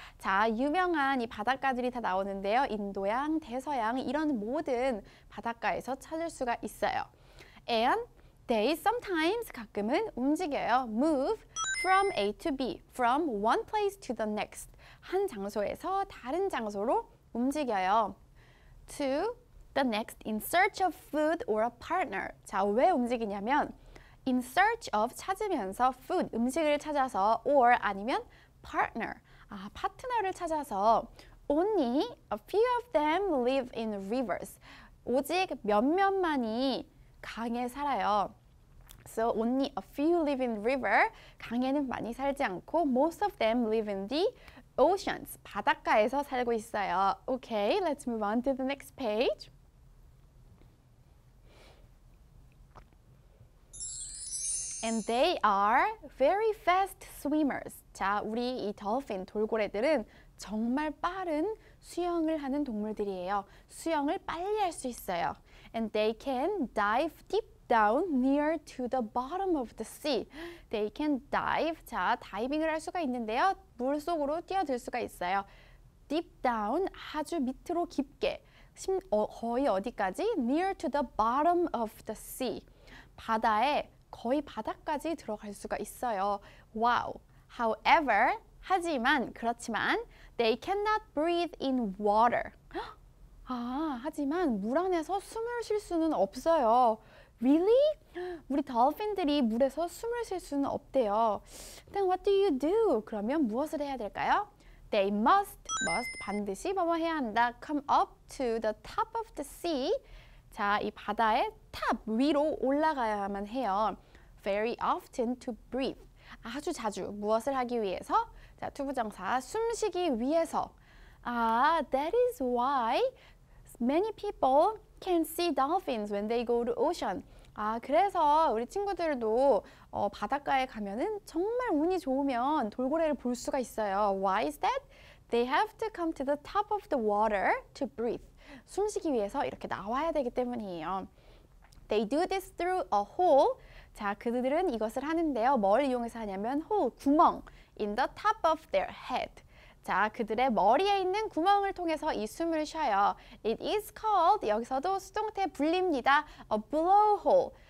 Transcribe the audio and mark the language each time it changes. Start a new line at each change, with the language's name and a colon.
Korean: 자, 유명한 이 바닷가들이 다 나오는데요. 인도양, 대서양 이런 모든 바닷가에서 찾을 수가 있어요.
English: And they sometimes
Korean: 가끔은 움직여요.
English: Move from A to B, from one place to the next.
Korean: 한 장소에서 다른 장소로 움직여요.
English: To the next in search of food or a partner.
Korean: 자, 왜 움직이냐면
English: in search of
Korean: 찾으면서
English: food,
Korean: 음식을 찾아서
English: or
Korean: 아니면
English: partner,
Korean: 아, 파트너를 찾아서
English: only a few of them live in rivers.
Korean: 오직 몇몇만이 강에 살아요.
English: So only a few live in river.
Korean: 강에는 많이 살지 않고
English: most of them live in the oceans.
Korean: 바닷가에서 살고 있어요.
English: Okay, let's move on to the next page. And they are very fast swimmers.
Korean: 자, 우리 이 dolphin, 돌고래들은 정말 빠른 수영을 하는 동물들이에요. 수영을 빨리 할 수 있어요.
English: And they can dive deep down near to the bottom of the sea. They can dive.
Korean: 자, 다이빙을 할 수가 있는데요. 물 속으로 뛰어들 수가 있어요.
English: Deep down,
Korean: 아주 밑으로 깊게. 거의 어디까지?
English: Near to the bottom of the sea.
Korean: 바다에 거의 바닥까지 들어갈 수가 있어요.
English: Wow. However,
Korean: 하지만, 그렇지만,
English: they cannot breathe in water.
Korean: 아, 하지만 물 안에서 숨을 쉴 수는 없어요.
English: Really?
Korean: 우리 dolphin들이 물에서 숨을 쉴 수는 없대요.
English: Then what do you do?
Korean: 그러면 무엇을 해야 될까요?
English: They must
Korean: 반드시 뭐뭐 해야 한다.
English: Come up to the top of the sea.
Korean: 자, 이 바다의 탑 위로 올라가야만 해요.
English: Very often to breathe.
Korean: 아주 자주 무엇을 하기 위해서? 자, 투부정사 숨쉬기 위해서.
English: 아, that is why many people can see dolphins when they go to ocean.
Korean: 아, 그래서 우리 친구들도 바닷가에 가면은 정말 운이 좋으면 돌고래를 볼 수가 있어요.
English: Why is that? They have to come to the top of the water to breathe.
Korean: 숨쉬기 위해서 이렇게 나와야 되기 때문이에요.
English: They do this through a hole.
Korean: 자, 그들은 이것을 하는데요. 뭘 이용해서 하냐면 hole, 구멍.
English: In the top of their head.
Korean: 자, 그들의 머리에 있는 구멍을 통해서 이 숨을 쉬어요.
English: It is called,
Korean: 여기서도 수동태 불립니다.
English: A blowhole.